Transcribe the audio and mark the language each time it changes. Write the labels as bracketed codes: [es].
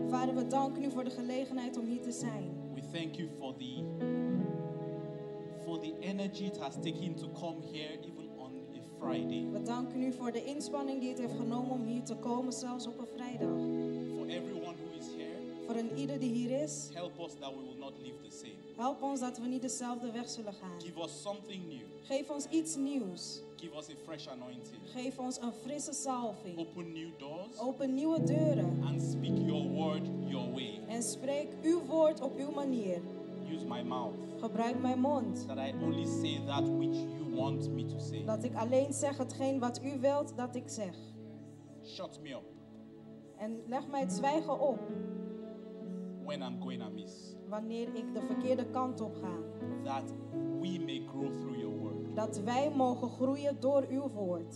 [nl] Vader, we danken u voor de gelegenheid om hier te zijn. [en] We thank you for the energy it has taken to come here even on a Friday. [nl] We danken u voor de inspanning die het heeft genomen om hier te komen zelfs op een vrijdag. [en] For everyone who is here. [nl] Voor een ieder die hier is. [en] Help us that we will not leave the same. [nl] Help ons dat we niet dezelfde weg zullen gaan. [en] Give us something new. [nl] Geef ons iets nieuws. [en] Give us a fresh anointing. [nl] Geef ons een frisse salving. [en] Open new doors. [nl] Open nieuwe deuren. [en] And speak your word your way. [nl] En spreek uw woord op uw manier. [en] Use my mouth. [nl] Gebruik mijn mond. [en] That I only say that which you want me to say. [nl] Dat ik alleen zeg hetgeen wat u wilt dat ik zeg. [en] Shut me up. [nl] En leg mij het zwijgen op. [en] When I'm going amiss. [nl] Wanneer ik de verkeerde kant op ga. [en] That we may grow through your word. [nl] Dat wij mogen groeien door uw woord.